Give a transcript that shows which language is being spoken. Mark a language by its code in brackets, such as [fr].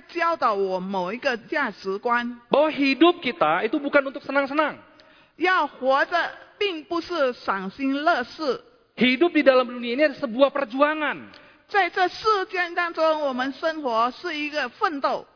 [zh] 我爸爸既不是恶意的，他是在教导我某一个价值观。 [id] Bahwa hidup kita itu bukan untuk senang-senang. [zh] 要活着并不是赏心乐事。 [id] Hidup di dalam dunia ini adalah sebuah perjuangan. [zh] 在这世间当中，我们生活是一个奋斗。